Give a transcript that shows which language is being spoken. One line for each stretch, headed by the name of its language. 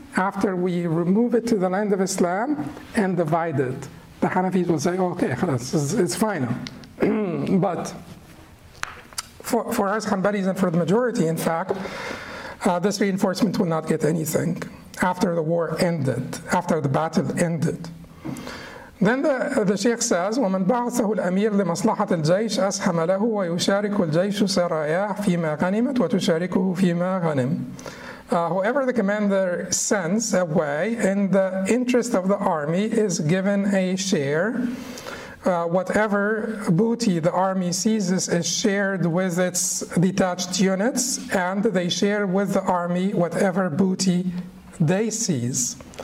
English: After we remove it to the land of Islam and divide it. The Hanafis will say, okay, it's final. But for us Hanbalis and for the majority, in fact, this reinforcement will not get anything after the war ended, after the battle ended. Then the Sheikh says,
Arabic: وَمَنْ بَعْثَهُ الْأَمِيرُ لِمَصْلَحَةِ الْجَيْشِ أَسْحَمَ لَهُ وَيُشَارِكُ الْجَيْشُ سَرَايَاهُ فِي مَا غَنِمَتْ وَتُشَارِكُهُ فِي مَا غَنِمْ.
English: Whoever the commander sends away in the interest of the army is given a share. Whatever booty the army seizes is shared with its detached units, and they share with the army whatever booty they seize.